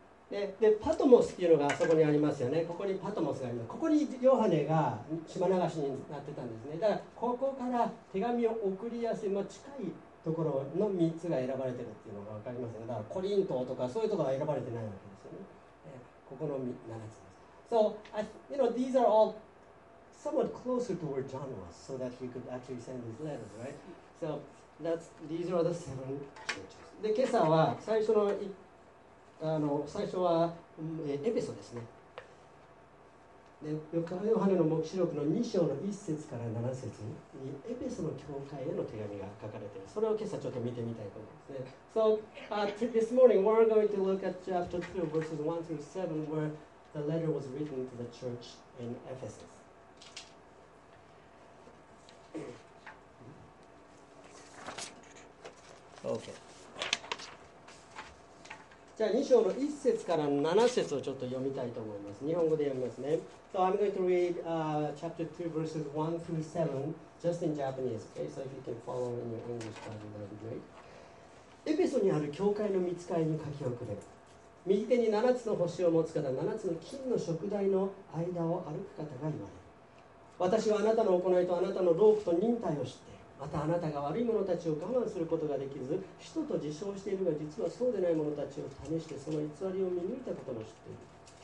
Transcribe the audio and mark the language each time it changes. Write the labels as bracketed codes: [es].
[ja] で、パトモスっていうのがそこにありますよね。ここにパトモスがあります。ここにヨハネが島流しになってたんですね。だからここから手紙を送りやすい、まあ、近いところの3つが選ばれてるっていうのが分かりますね。だからコリントとかそういうところは選ばれてないわけですよね。ここの7つです。 [en] So, you know, these are allSomewhat closer to where John was, so that he could actually send his letters, right? So these are the seven churches. [ja] で、今朝は最初の、最初は、エペソですね。で、ヨハネの黙示録の2章の1節から7節にエペソの教会への手紙が書かれている。それを今朝ちょっと見てみたいと思います。 [en] So this morning we're going to look at chapter 2 verses 1 through 7 where the letter was written to the church in Ephesus. Okay. [ja] じゃあ2章の1節から7節をちょっと読みたいと思います。日本語で読みますね。 [en] So I'm going to read chapter 2 verses 1 through 7 just in Japanese. Okay, so if you can follow in your English, that would be great. [ja] エペソにある教会の御使いに書き送れ。右手に7つの星を持つ方、7つの金の燭台の間を歩く方が言われ。私はあなたの行いとあなたの労苦と忍耐を知って、またあなたが悪い者たちを我慢することができず、使徒と自称しているが実はそうでない者たちを試してその偽りを見抜いたことも知っている。